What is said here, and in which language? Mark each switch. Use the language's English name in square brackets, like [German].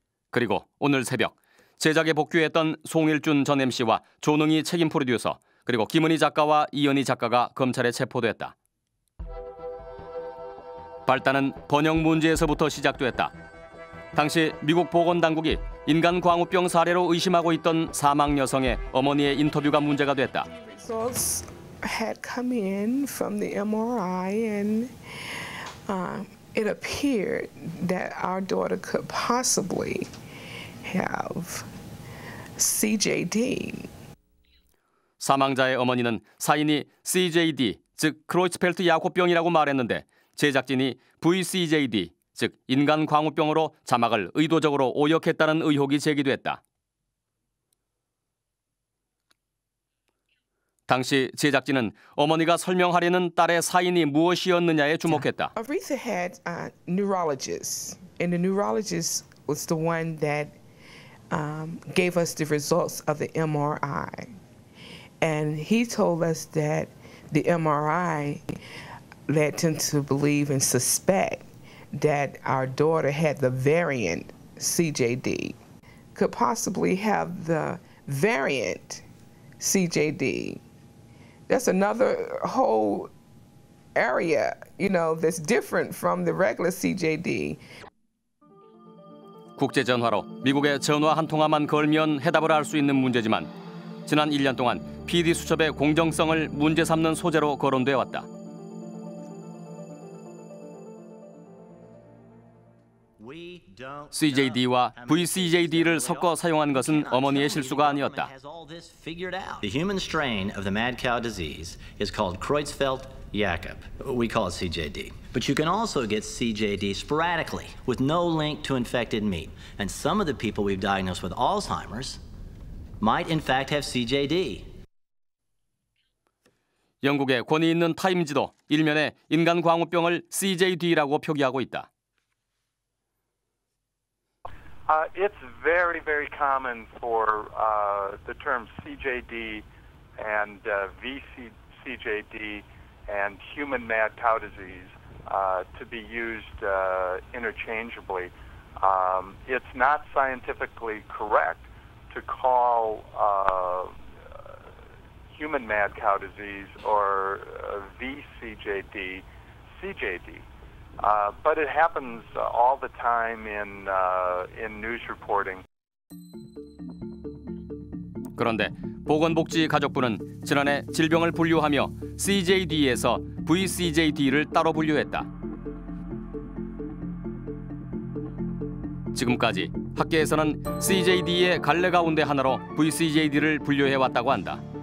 [Korean] 그리고 오늘 새벽 제작에 복귀했던 송일준 전 MC와 조능희 책임 프로듀서 그리고 김은희 작가와 이연희 작가가 검찰에 체포됐다. 발단은 번역 문제에서부터 시작됐다. 당시 미국 보건당국이 인간 광우병 사례로 의심하고 있던 사망 여성의 어머니의 인터뷰가 문제가 됐다. [English] Results had come in from the MRI and it appeared that our daughter could possibly have CJD. [Korean] 사망자의 어머니는 사인이 CJD, 즉 크로이츠펠트 야코병이라고 말했는데 제작진이 VCJD, 즉 인간 광우병으로 자막을 의도적으로 오역했다는 의혹이 제기됐다. 당시 제작진은 어머니가 설명하려는 딸의 사인이 무엇이었느냐에 주목했다. [English] Aretha had a neurologist, and the neurologist was the one that gave us the results of the MRI. And he told us that the MRI led him to believe and suspect that our daughter had the variant CJD, could possibly have the variant CJD. That's another whole area, you know, that's different from the regular CJD. [Korean] 국제 전화로 미국에 전화 한 통화만 걸면 해답을 알 수 있는 문제지만 지난 1년 동안 PD 수첩의 공정성을 문제 삼는 소재로 거론돼 왔다. 'CJD'와 'VCJD'를 섞어 사용한 것은 어머니의 실수가 아니었다. [English] The human strain of the mad cow disease is called Creutzfeldt-Jakob. We call it CJD. But you can also get CJD sporadically with no link to infected meat. And some of the people we've diagnosed with Alzheimer's might in fact have CJD. [Korean] 영국의 권위 있는 타임즈도 일면에 인간 광우병을 CJD라고 표기하고 있다. [English] It's very, very common for the terms CJD and VCJD and human mad cow disease to be used interchangeably. It's not scientifically correct to call human mad cow disease or VCJD CJD. But it happens all the time in news reporting. [Korean] 그런데 보건복지가족부는 지난해 질병을 분류하며 CJD에서 VCJD를 따로 분류했다. 지금까지 학계에서는 CJD의 갈래 가운데 하나로 VCJD를 분류해왔다고 한다.